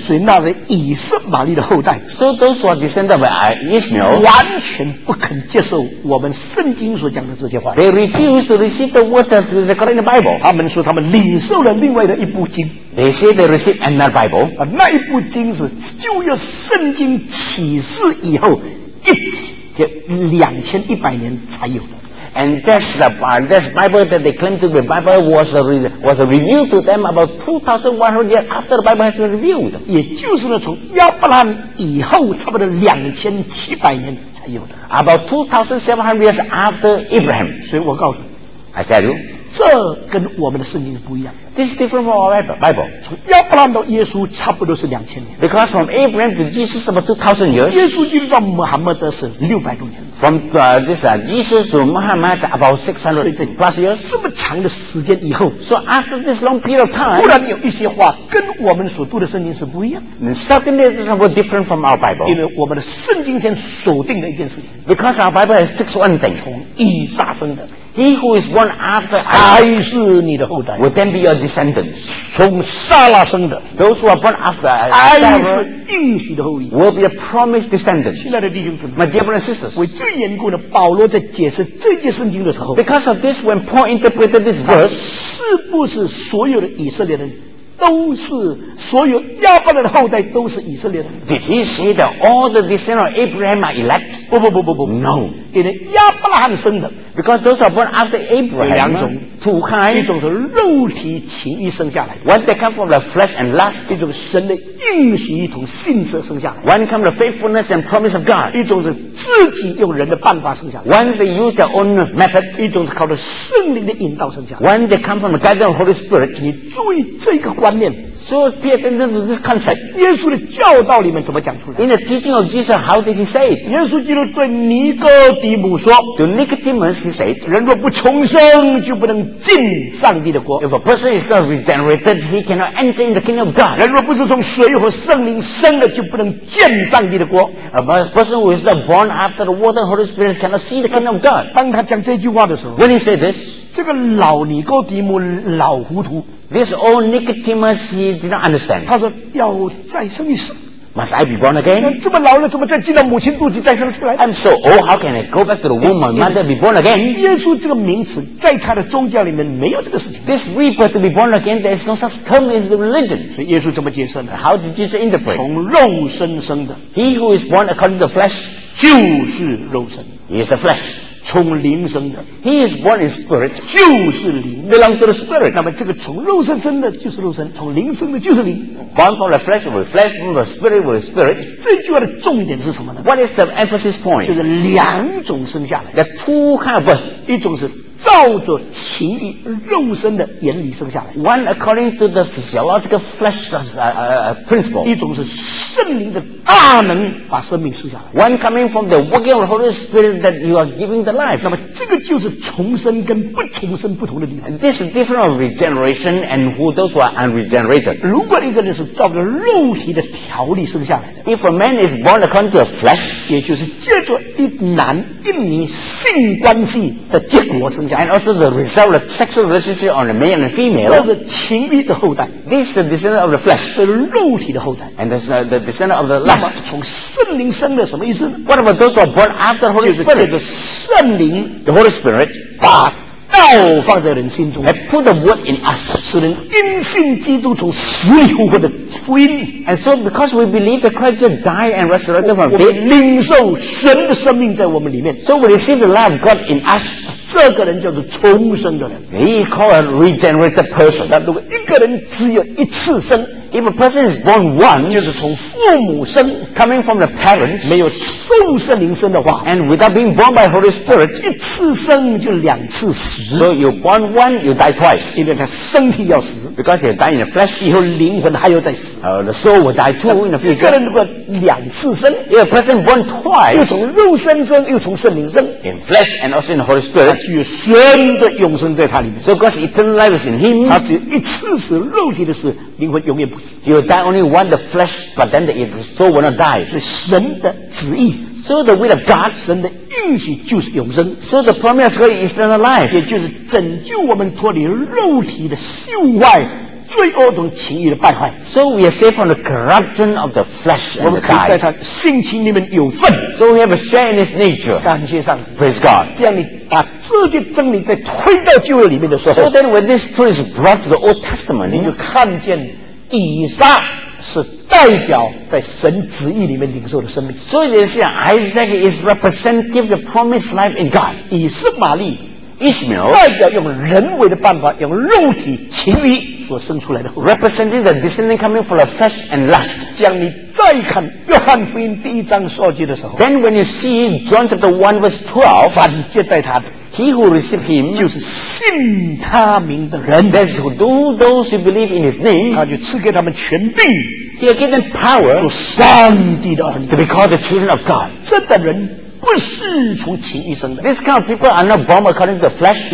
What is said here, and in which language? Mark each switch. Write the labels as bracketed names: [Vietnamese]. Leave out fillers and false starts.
[Chinese] 所以那是以色玛利的后代。 [English] So those who are descendants of Ishmael [Chinese] 完全不肯接受我们圣经所讲的这些话。 [English] They refuse to receive the word that is recorded in the Bible. [Chinese] 他们说他们领受了另外的一部经。 [English] They say they received another Bible. [Chinese] 那一部经是旧约圣经启示以后一2100年才有的。 [English] And that's the part, that Bible that they claim to be Bible was a review to them about 2100 years after the Bible has been reviewed. [Chinese] 也就是呢，从亚伯兰以后，差不多2700年才有的。 [English] About 2700 years after Abraham. [Chinese] 所以我告诉你 [English] ，I tell you， [Chinese] 这跟我们的圣经是不一样。 [English] This is different from our Bible. [Chinese] 从亚伯兰到耶稣，差不多是2000年。 [English] Because from Abraham to Jesus about 2000 years. [Chinese] 耶稣基督到穆罕默德是600多年。 [English] From Jesus to Muhammad about 600+ years. [Chinese] 这么长的时间以后 [English] ，So after this long period of time, [Chinese] 忽然有一些话跟我们所读的圣经是不一样。 [English] And suddenly this is different from our Bible. [Chinese] 因为我们的圣经先锁定了一件事情。 [English] Because our Bible has fixed one thing. [Chinese] 从以撒生的。 [English] He who is born after [Chinese] Isaac 还是你的后代 [English] will then be your descendants. [Chinese] 从撒拉生的 [English] those who are born after Isaac [Chinese] 还是应许的后裔 [English] will be a promised descendant. [Chinese] 亲爱的弟兄姊妹 [English] my dear brothers and sisters, [Chinese] 为这缘故呢，保罗在解释这些圣经的时候 [English] because of this, when Paul interpreted this verse, [Chinese] 是不是所有的以色列人都是所有亚伯兰的后代都是以色列人 [English] Did he say that all the descendants of Abraham are elect? [Chinese] 不 [English] No [Chinese] 因为亚伯兰生的 [English] Because those are born after Abraham [Chinese] 有两种 [English] Two kinds [Chinese] 一种是肉体情欲生下来的 [English] One that come from the flesh and lust [Chinese] 一种神的应许同信实生下来的 [English] One come the faithfulness and promise of God [Chinese] 一种是自己用人的办法生下来的 [English] One they use their own method [Chinese] 一种是靠着圣灵的引导生下来的 [English] One that come from the guidance of the Holy Spirit [Chinese] 你注意这个观念 [English] So pay attention to this concept. [Chinese] 耶稣的教导里面怎么讲出来 [English] ？In the teaching of Jesus, how did he say it? [Chinese] 耶稣基督对尼哥底母说 [English] ，To Nicodemus, he said, [Chinese] 人若不重生，就不能进上帝的国。 [English] If a person is not regenerated, he cannot enter in the kingdom of God. [Chinese] 人若不是从水和圣灵生的，就不能见上帝的国。 [English] A person who is not born after the water and Holy Spirit cannot see the kingdom of God. [Chinese] 当他讲这句话的时候 [English] ，When he said this, [Chinese] 这个老尼哥底母老糊涂。 [English] This old Nicodemus he did not understand. [Chinese] 他说要再生一次。 [English] Must I be born again? [Chinese] 这么老了，怎么再进到母亲肚子再生出来 [English] ？I'm so old. How can I go back to the womb of my mother be born again? [Chinese] 耶稣这个名词在他的宗教里面没有这个事情。 [English] This rebirth to be born again, there is no such term in the religion. [Chinese] 所以耶稣怎么解释呢 [English] ？How did Jesus interpret? [Chinese] 从肉身生的。 [English] He who is born according to the flesh [Chinese] 就是肉身。 [English] He is the flesh. [Chinese] 从灵生的 [English] ，He is born in spirit， [Chinese] 就是灵 [English] ，belong to the spirit。 [Chinese] 那么这个从肉身生的就是肉身，从灵生的就是灵 [English] ，born from the flesh with flesh， from the spirit with spirit。 [Chinese] 这句话的重点是什么呢 [English] ？What is the emphasis point？ [Chinese] 就是两种生下来 [English] ，the two kind of birth， [Chinese] 一种是照着情欲肉身的原理生下来 [English] ，one according to the physiological flesh principle， [Chinese] 一种是。圣灵的大能把生命生下来 [English] One coming from the working of the Holy Spirit that you are giving the life [Chinese] 那么这个就是重生跟不重生不同的地方 [English] This is different of regeneration and who those who are unregenerated [Chinese] 如果一个人是照着肉体的条理生下来的 [English] If a man is born according to the flesh [Chinese] 也就是借着一男一女性关系的结果生下来 [English] And also the result of sexual relationship on the male and the female [Chinese] 这是情欲的后代 [English] This is the descendant of the flesh [Chinese] 是肉体的后代 [English] And this is the descendant of the lust [Chinese] 那么从圣灵生的什么意思呢 [English] What about those who are born after the Holy Spirit [Chinese] 就是圣灵 [English] The Holy Spirit [Chinese] 把道放在人心中 [English] And put the word in us [Chinese] 使人因信基督从死里复活的福音 [English] And so because we believe that Christ died and resurrected from death [Chinese] 我们领受神的生命在我们里面 [English] So we receive the life of God in us [Chinese] 这个人叫做重生的人 [English] He called a regenerated person [Chinese] 那如果一个人只有一次生 [English] If a person is born once, [Chinese] 就是从父母生 [English] coming from the parents, [Chinese] 没有圣圣灵生的话 [English] and without being born by Holy Spirit, [Chinese] 一次生就两次死 [English] so you born once, you die twice, [Chinese] 因为他身体要死 [English] because you die in the flesh, [Chinese] 以后灵魂还要再死 [English] the soul will die too in the future, [Chinese] 一个人如果两次生 [English] if a person born twice, [Chinese] 又从肉身生又从圣灵生 [English] in flesh and also in the Holy Spirit, [Chinese] 他具有新的永生在他里面 [English] so God's eternal life is in him, [Chinese] 他只有一次死肉体的死灵魂永远不死 [English] You die only one the flesh, but then the soul will not die. [Chinese] 是神的旨意。 [English] So the will of God, [Chinese] 神的应许就是永生。 [English] So the promise of eternal life, [Chinese] 也就是拯救我们脱离肉体的朽坏、罪恶等情欲的败坏。 [English] So we are saved from the corruption of the flesh and the die. [Chinese] 我们可以在他性情里面有份。 [English] So we have a share in his nature. [Chinese] 感谢上帝。 [English] Praise God. [Chinese] 这样你把这些真理在推到旧约里面的时候 [English] ，So then when this truth is brought to the Old Testament, [Chinese] 你就看见。以撒是代表在神旨意里面领受的生命，所以就是 [English] Isaac is representative of the promised life in God。 [Chinese] 以斯玛利 [English] Ishmael [Chinese] 代表用人为的办法，用肉体情欲所生出来的。 [English] Representing the descendant coming from the flesh and lust。 [Chinese] 将你再看约翰福音第一章十二节的时候 [English] ，Then when you see John chapter one verse twelve， [Chinese] 反接待他的。 [English] He who receives him [Chinese] 就是信他名的人 [English] That's who do those who believe in his name [Chinese] 他就赐给他们权柄 [English] He will give them power [Chinese] 做上帝的儿女 [English] To be called the children of God [Chinese] 这等人不是从情欲生的 [English] This kind of people are not born according to the flesh